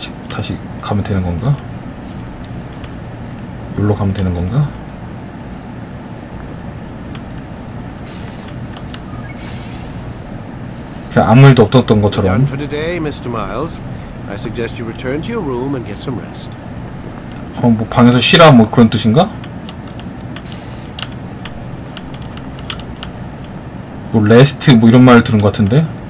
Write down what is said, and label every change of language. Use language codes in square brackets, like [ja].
[ko] 다시 가면 되는 건가? 여기로 가면 되는 건가? 그냥 아무 일도 없었던 것처럼. [en] Done for today, Mr. Miles. I suggest you return to your room and get some rest. [ko] 어, 뭐 방에서 쉬라 뭐 그런 뜻인가? 뭐 레스트 뭐 이런 말 들은 것 같은데.